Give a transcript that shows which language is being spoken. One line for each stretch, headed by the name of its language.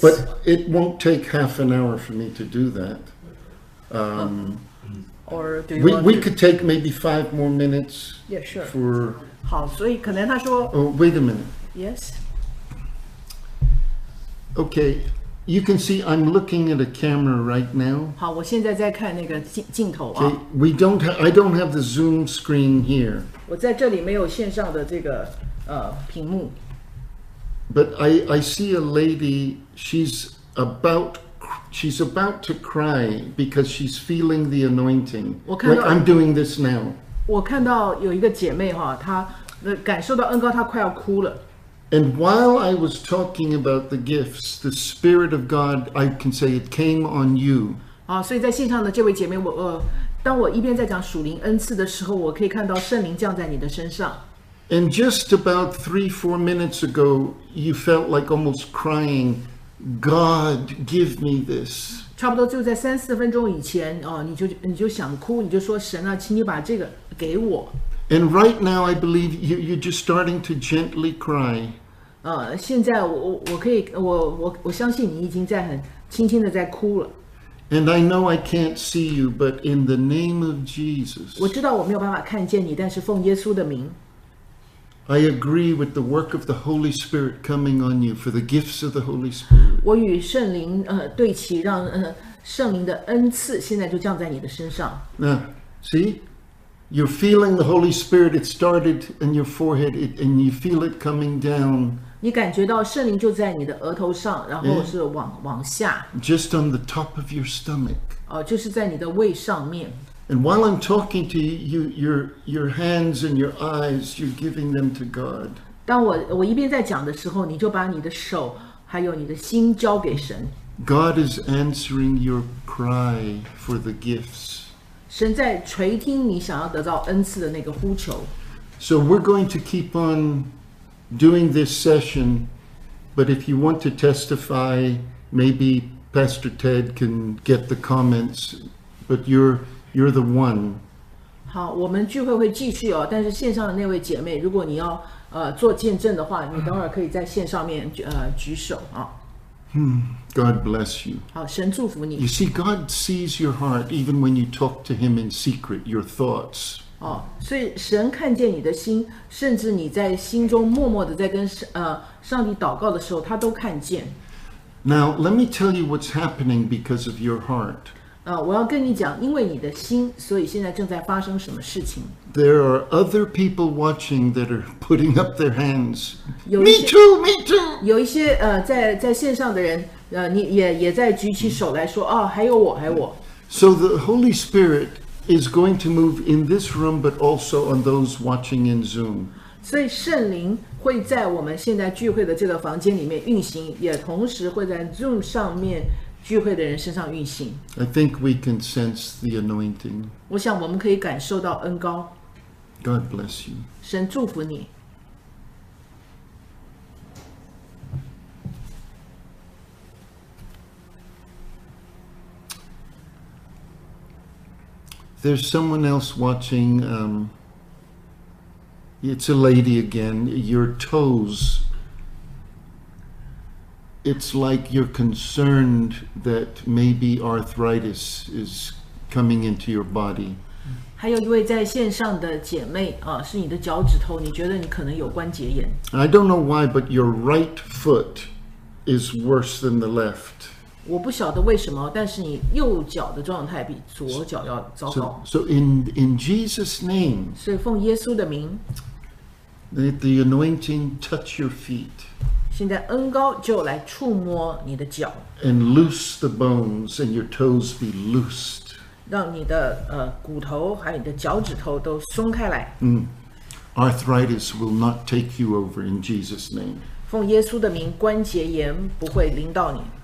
English: But it won't take half an hour for me to do that. Or do you we could take maybe 5 more minutes. Yeah, sure. For
Chinese: 好，所以可能他说。
English: Oh, wait a minute. Yes. Okay, you can see I'm looking at a camera right now.
Chinese: 好，我现在在看那个镜头啊。
English: Okay, I don't have the Zoom screen here.
Chinese: 我在这里没有线上的这个屏幕。
English: But I see a lady, she's about to cry because she's feeling the anointing. Like I'm doing this now.
Chinese: 我看到有一个姐妹哈，她感受到恩膏，她快要哭了。
English: And while I was talking about the gifts, the Spirit of God, I can say it came on you.
Chinese: 啊，所以在线上的这位姐妹，当我一边在讲属灵恩赐的时候，我可以看到圣灵降在你的身上。
English: And just about 3-4 minutes ago, you felt like almost crying, God, give me this.
Chinese: 差不多就在3-4分钟以前，你就想哭，你就说神啊，请你把这个给我。
English: And right now, I believe you're just starting to gently cry.
Chinese: 现在我相信你已经在很轻轻的在哭了。
English: And I know I can't see you, but in the name of Jesus.
Chinese: 我知道我没有办法看见你，但是奉耶稣的名。
English: I agree with the work of the Holy Spirit coming on you for the gifts of the Holy Spirit.
Chinese: 我与圣灵对齐，让圣灵的恩赐现在就降在你的身上。
English: Now, see, you're feeling the Holy Spirit. It started in your forehead, and you feel it coming down.
Chinese: 你感觉到圣灵就在你的额头上，然后是往下。
English: Just on the top of your stomach.
Chinese: 就是在你的胃上面。
English: And while I'm talking to you, your hands and your eyes, you're giving them to God.
Chinese: 当我一边在讲的时候，你就把你的手还有你的心交给神。
English: God is answering your cry for the gifts.
Chinese: 神在垂听你想要得到恩赐的那个呼求。
English: So we're going to keep on doing this session, but if you want to testify, maybe Pastor Ted can get the comments, but You're the one.
Chinese: 好，我们聚会会继续哦。但是线上的那位姐妹，如果你要做见证的话，你等会儿可以在线上面举手啊。
English: God bless you.
Chinese: 好，神祝福你。
English: You see, God sees your heart even when you talk to Him in secret. Your thoughts.
Chinese: 所以神看见你的心，甚至你在心中默默的在跟上帝祷告的时候，他都看见。
English: Now let me tell you what's happening because of your heart.
Chinese: 我要跟你讲，因为你的心，所以现在正在发生什么事情。
English: There are other people watching that are putting up their hands. Me too, me too.
Chinese: 有一些在线上的人，你也在举起手来说，还有我，还有我。
English: So the Holy Spirit is going to move in this room, but also on those watching in Zoom.
Chinese: 所以圣灵会在我们现在聚会的这个房间里面运行，也同时会在 Zoom 上面。聚会的人身上运行。
English: I think we can sense the anointing.
Chinese: 我想我们可以感受到恩膏。
English: God bless you.
Chinese: 神祝福你。
English: there's someone else watching. It's a lady again. Your toes. It's like you're concerned that maybe arthritis is coming into your body.
Chinese: 还有一位在线上的姐妹啊，是你的脚趾头，你觉得你可能有关节炎。
English: I don't know why, but your right foot is worse than the left.
Chinese: 我不晓得为什么，但是你右脚的状态比左脚要糟糕。
English: So in Jesus' name,
Chinese: 所以奉耶稣的名
English: ，let the anointing touch your feet.
Chinese: 现在恩膏就来触摸你的脚。
English: And loose the bones, and your toes be loosed.
Chinese: 让你的骨头还有你的脚趾头都松开来。
English: Arthritis will not take you over in Jesus' name.
Chinese: 奉耶稣的名，关节炎不会临到你。